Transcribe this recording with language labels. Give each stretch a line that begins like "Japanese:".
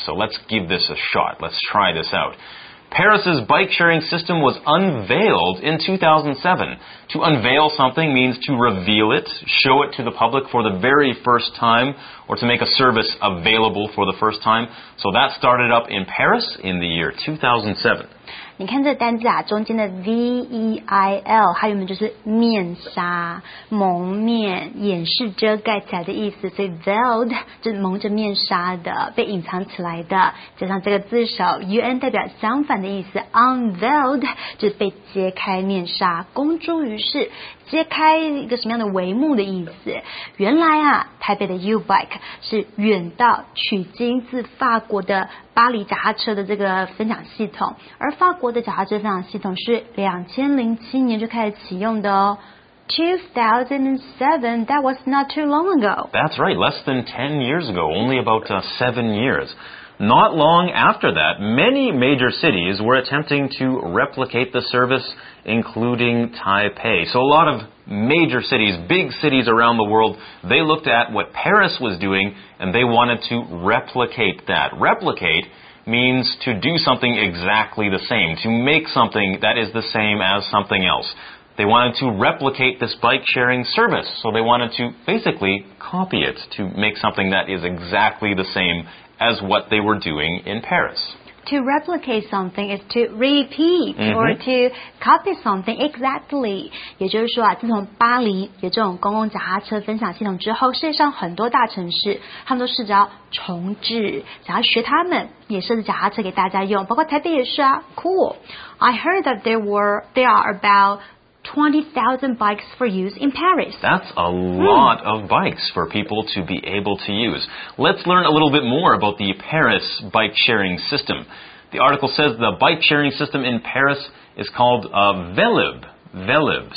English: So let's give this a shot. Let's try this out. Paris's bike sharing system was unveiled in 2007. To unveil something means to reveal it, show it to the public for the very first time, or to make a service available for the first time. So that started up in Paris in the year 2007.
Chinese: 你看这单字啊，中间的 veil 它原本就是面纱、蒙面、掩饰、遮盖起来的意思，所以 veiled 就是蒙着面纱的、被隐藏起来的。加上这个字首 un 代表相反的意思 ，unveiled 就是被揭开面纱、公诸于世。揭开一个什么样的帷幕的意思。原来啊，台北的 U-Bike 是远道取经自法国的巴黎脚踏车的这个分享系统，而法国的脚踏车分享系统是2007年就开始启用的哦。
English: 2007, that was not too long ago. That's right, less than 10 years ago, only about 7 years. Not long after that, many major cities were attempting to replicate the service, including Taipei. So a lot of major cities, big cities around the world, they looked at what Paris was doing and they wanted to replicate that. Replicate means to do something exactly the same, to make something that is the same as something else. They wanted to replicate this bike sharing service, so they wanted to basically copy it to make something that is exactly the same as what they were doing in Paris. To replicate something is to repeat、mm-hmm. or to copy something exactly.
Chinese: 也就是说啊，自从巴黎有这种公共脚踏车分享系统之后，世界上很多大城市他们都试着要重置，想要学他们。也设置脚踏车给大家用，包括台北也是啊。
English: Cool. I heard that there are about 20,000 bikes for use in Paris. That's a lot of bikes for people to be able to use. Let's learn a little bit more about the Paris bike sharing system. The article says the bike sharing system in Paris is called a Vélib. Vélib.